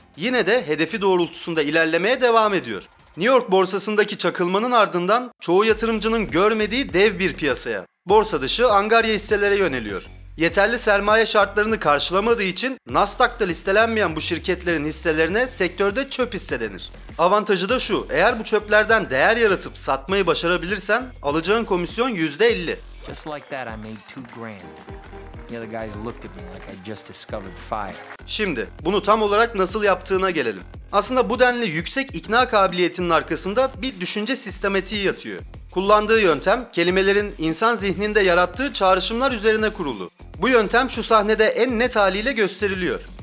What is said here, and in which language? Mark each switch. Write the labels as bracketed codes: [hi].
[tr] Yine de hedefi doğrultusunda ilerlemeye devam ediyor. New York borsasındaki çakılmanın ardından çoğu yatırımcının görmediği dev bir piyasaya, borsa dışı angarya hisselere yöneliyor. Yeterli sermaye şartlarını karşılamadığı için Nasdaq'ta listelenmeyen bu şirketlerin hisselerine sektörde çöp hisse denir. Avantajı da şu, eğer bu çöplerden değer yaratıp satmayı başarabilirsen alacağın komisyon %50. [en] Just like that I made 2 grand. The other guys looked at me like I just discovered fire. [tr] Şimdi bunu tam olarak nasıl yaptığına gelelim. Aslında bu denli yüksek ikna kabiliyetinin arkasında bir düşünce sistematiği yatıyor. Kullandığı yöntem kelimelerin insan zihninde yarattığı çağrışımlar üzerine kurulu. Bu yöntem şu sahnede en net haliyle gösteriliyor.